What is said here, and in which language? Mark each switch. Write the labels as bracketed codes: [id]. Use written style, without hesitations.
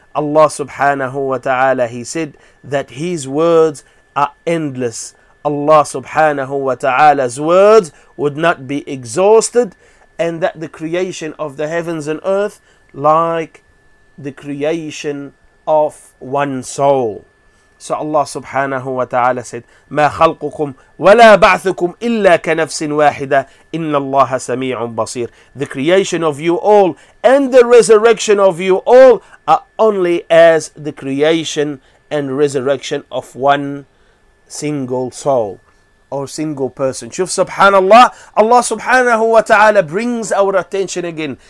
[en] Allah subhanahu wa ta'ala, he said that his words are endless. Allah subhanahu wa ta'ala's words would not be exhausted, and that the creation of the heavens and earth like the creation of one soul. So Allah subhanahu wa ta'ala said, [ar] مَا خَلْقُكُمْ وَلَا بَعْثُكُمْ إِلَّا كَنَفْسٍ وَاحِدَةٍ إِنَّ اللَّهَ سَمِيعٌ بَصِيرٌ. [en] The creation of you all and the resurrection of you all are only as the creation and resurrection of one single soul or single person. Shuf subhanallah, Allah subhanahu wa ta'ala brings our attention again.